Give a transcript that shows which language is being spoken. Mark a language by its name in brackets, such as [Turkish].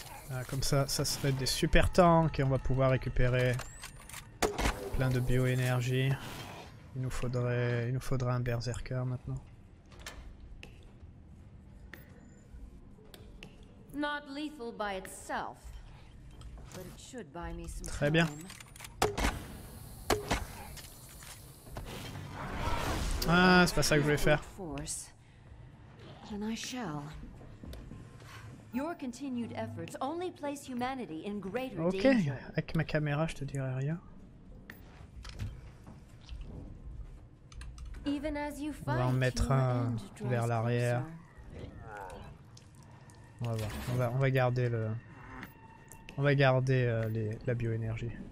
[French] Ah, comme ça, ça serait des super tanks et on va pouvoir récupérer plein de bioénergie. Il nous faudrait un berserker maintenant. [English] Not lethal by itself, but it should buy me some [French] Très bien. Ah, c'est pas ça que je voulais faire. [English] And I shall. Your continued efforts only place humanity in greater danger. [French] Ok, avec ma caméra, je te dirai rien. [English] Even as you fight, [French] on va en mettre un vers l'arrière. On va voir, on va garder le. On va garder la bioénergie.